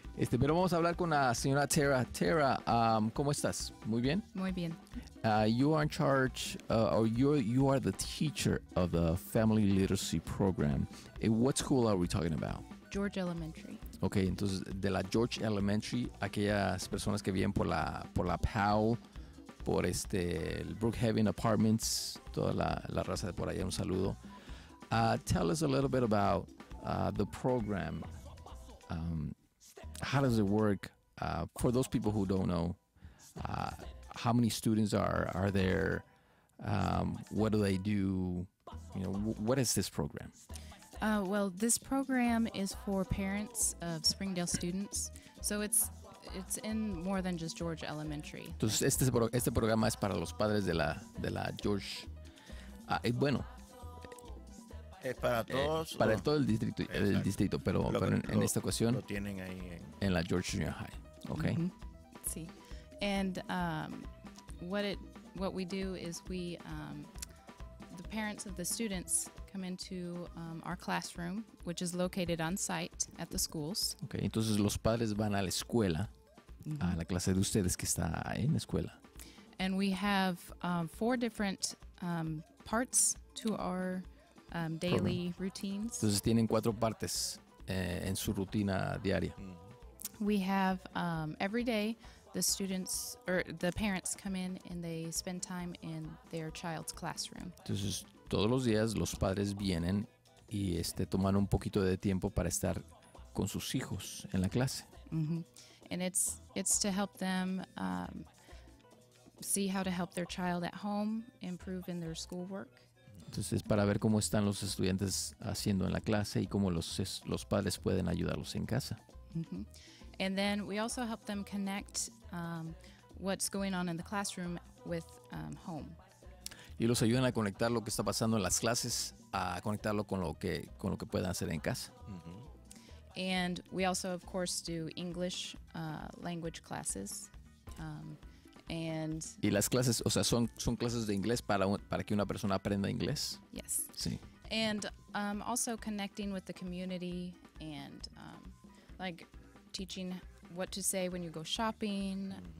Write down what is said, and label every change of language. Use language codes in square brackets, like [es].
[es] Pero vamos a hablar con la señora Tara. Tara, ¿cómo estás? ¿Muy bien? Muy bien. [en] You are in charge, or you are the teacher of the Family Literacy Program. And what school are we talking about? George Elementary. [es] Ok, entonces de la George Elementary, aquellas personas que vienen por la Powell, por el Brookhaven Apartments, toda la raza de por allá, un saludo. [en] Tell us a little bit about the program. How does it work? For those people who don't know, how many students are there? What do they do? You know, what is this program? Well, this program is for parents of Springdale students, so it's in more than just George Elementary. [es] Entonces este programa es para los padres de la George. Es para todos. Para todo el distrito, exacto. El distrito, pero en esta ocasión lo tienen ahí en la George Junior High, okay. Mm-hmm. Sí. [en] And what we do is we the parents of the students come into our classroom, which is located on site at the schools. [es] Okay, entonces los padres van a la escuela, mm-hmm. a la clase de ustedes que está en la escuela. [en] And we have four different parts to our daily program. Routines. [es] Entonces tienen cuatro partes en su rutina diaria. Mm-hmm. [en] We have every day the students or the parents come in they spend time in their child's classroom. [es] Entonces todos los días los padres vienen y toman un poquito de tiempo para estar con sus hijos en la clase. Mm-hmm. [en] And it's to help them see how to help their child at home improve in their schoolwork. [es] Entonces para ver cómo están los estudiantes haciendo en la clase y cómo los padres pueden ayudarlos en casa. Mm-hmm. [en] And then we also help them connect what's going on in the classroom with home. [es] Y los ayudan a conectar lo que está pasando en las clases a conectarlo con lo que puedan hacer en casa. Mm-hmm. [en] And we also of course do English language classes. And [es] y las clases, o sea, son clases de inglés para que una persona aprenda inglés. [en] Yes. [es] Sí. [en] And also connecting with the community and like teaching what to say when you go shopping.